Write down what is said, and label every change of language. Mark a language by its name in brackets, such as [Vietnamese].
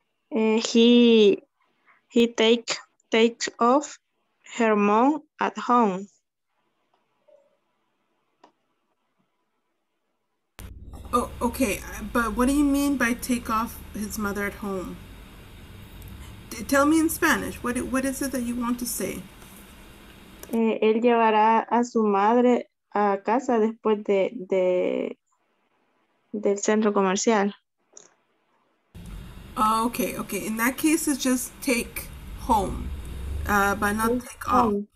[English] He takes off her mom at home. Oh, okay. But what do you mean by take off his mother at home? Tell me in Spanish. What is it that you want to say? [Spanish] Él llevará a su madre a casa después del centro comercial. [English] Okay. In that case, it's just take home, but not take off.